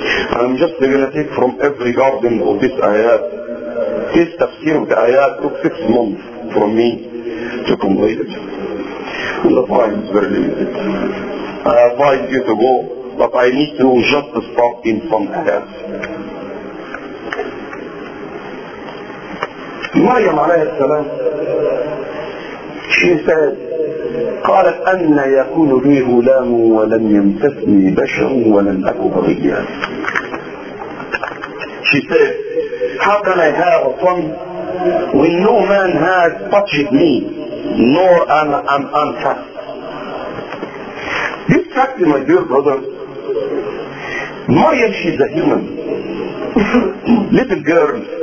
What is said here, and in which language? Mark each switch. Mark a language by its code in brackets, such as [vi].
[en] I'm just gonna take from every garden of this ayat. This tafsir of the ayat took 6 months from me to complete it. And the time is very limited. I advise you to go, but I need to just to start in some ayat. [ar] مريم عليه السلام [en] she said [ar] قالت أن يكون لي غلام ولم يمسسني بشر ولم أك بغيا. [en] She said how can I have a son when no man has touched me nor am I untouched. This fact, my dear brother, Mariam, she's a human little girl.